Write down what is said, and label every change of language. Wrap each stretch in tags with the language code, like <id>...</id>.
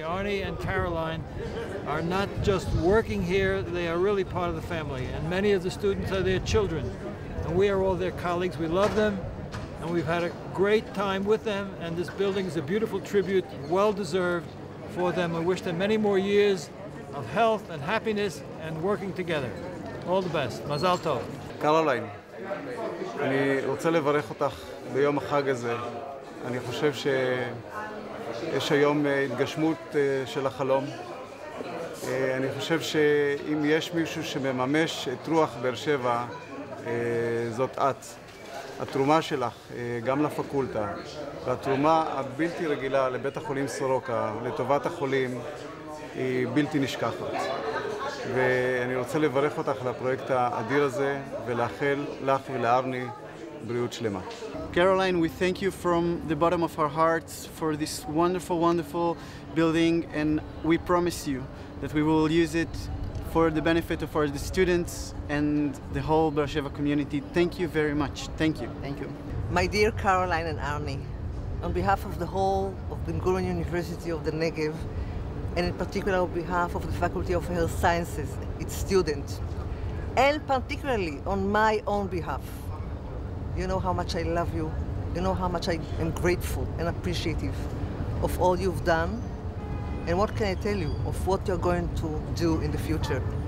<en>Arnie and Caroline are not just working here, they are really part of the family, and many of the students are their children, and we are all their colleagues. We love them, and we've had a great time with them, and this building is a beautiful tribute, well-deserved for them. I wish them many more years of health and happiness and working together. All the best. Mazal tov.</en> <he>Caroline, אני רוצה לברך אותך ביום החג הזה. אני חושב שיש היום התגשמות של החלום. אני חושב שאם יש מישהו שמממש את רוח באר שבע, זאת את. התרומה שלך גם לפקולטה והתרומה הבלתי רגילה לבית החולים סורוקה לטובת החולים היא בלתי נשכחת. ואני רוצה לברך אותך על הפרויקט האדיר הזה ולאחל לך ולארני בריאות שלמה.</he> <en>Caroline, we thank you from the bottom of our hearts for this wonderful, wonderful building, and we promise you that we will use it for the benefit of our students and the whole Be'er Sheva community. Thank you very much. Thank you. Thank you. My dear Caroline and Arnie, on behalf of the whole of Ben Gurion University of the Negev, and in particular on behalf of the Faculty of Health Sciences, its students, and particularly on my own behalf, you know how much I love you, you know how much I am grateful and appreciative of all you've done, and what can I tell you of what you're going to do in the future.</en>